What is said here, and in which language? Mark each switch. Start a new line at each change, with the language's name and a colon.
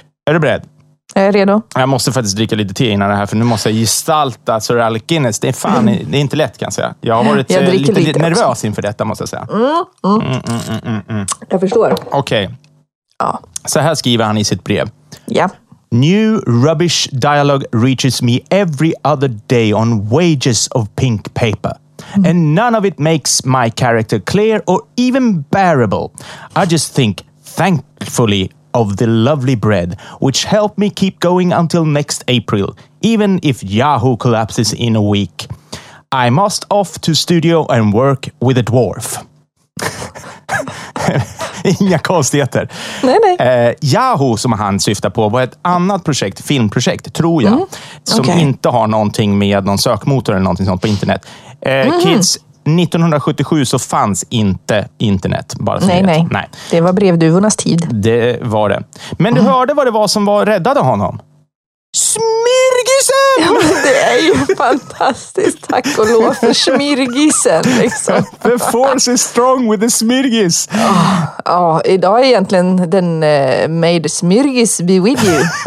Swedish: Är du beredd? Jag är redo. Jag måste faktiskt dricka lite te innan det här, för nu måste jag gestalta Sir Alec Guinness. Det är fan, det är inte lätt kan jag säga. Jag har varit lite nervös också inför detta, måste jag säga. Jag förstår. Okej.
English: Okay.
Swedish: Ja. Så här skriver han i sitt brev. Ja.
English: New rubbish dialogue reaches me every other day on wages of pink paper. And none of it makes my character clear or even bearable. I just think, thankfully, of the lovely bread, which helped me keep going until next April, even if Yahoo collapses in a week. I must off to studio and work with a dwarf.
Swedish: Inga konstigheter. Nej, nej. Yahoo, som han syftar på, var ett annat projekt, filmprojekt, tror jag. Som inte har någonting med någon sökmotor eller någonting sånt på internet. Kids, 1977 så fanns inte internet. Bara nej, nej, nej. Det var brevduvornas tid. Det var det. Men du hörde vad det var som var räddade honom. Smirgisen! Ja, det är ju fantastiskt. Tack och lov för smirgisen. Liksom.
English: The force is strong with the smirgis.
Swedish: Ja, oh, idag är egentligen den
English: may the smirgis be with you.